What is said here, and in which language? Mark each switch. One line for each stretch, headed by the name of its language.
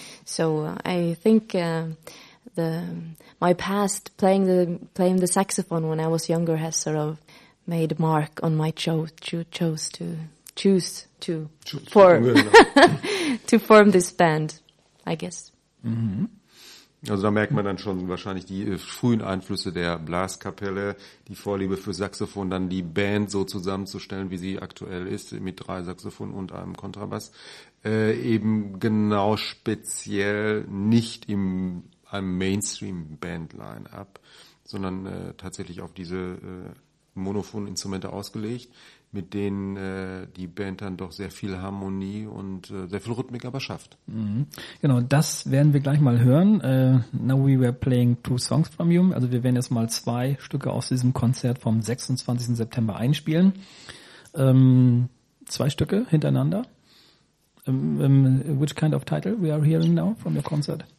English: So I think my past playing the saxophone when I was younger has sort of made a mark on my to form this band, I guess. Mhm.
German: Also da merkt man dann schon wahrscheinlich die frühen Einflüsse der Blaskapelle, die Vorliebe für Saxophon, dann die Band so zusammenzustellen, wie sie aktuell ist, mit 3 Saxophonen und einem Kontrabass, eben genau speziell nicht in einem Mainstream-Band-Line-Up, sondern tatsächlich auf diese Monophon-Instrumente ausgelegt, mit denen die Band dann doch sehr viel Harmonie und sehr viel Rhythmik aber schafft.
English: Mm-hmm.
German: Genau, das werden wir gleich mal hören.
English: Now we were playing 2 songs from you.
German: Also wir werden jetzt mal 2 Stücke aus diesem Konzert vom 26. September einspielen. 2 Stücke hintereinander.
English: Which kind of title we are hearing now from your concert?